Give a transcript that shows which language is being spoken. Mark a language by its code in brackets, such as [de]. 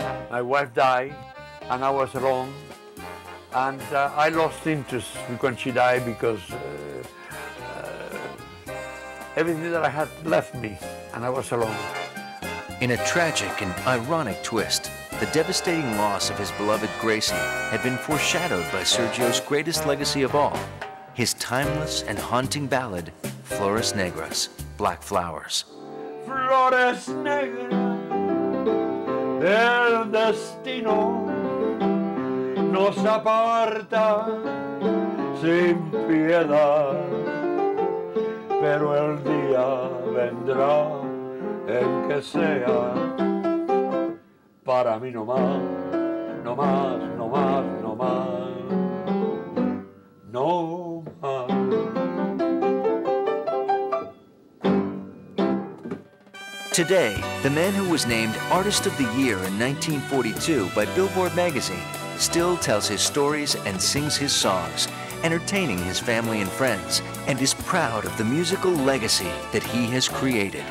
[en] My wife died, and I was alone, and I lost interest when she died because everything that I had left me, and I was alone. In a tragic and ironic twist, the devastating loss of his beloved Gracie had been foreshadowed by Sergio's greatest legacy of all, his timeless and haunting ballad, Flores Negras, Black Flowers. [es] Flores Negras, el destino nos aparta sin piedad, pero el día vendrá en que sea para mí no más, no más, no más, no más, no más. [en] Today, the man who was named Artist of the Year in 1942 by Billboard magazine still tells his stories and sings his songs, entertaining his family and friends, and is proud of the musical legacy that he has created.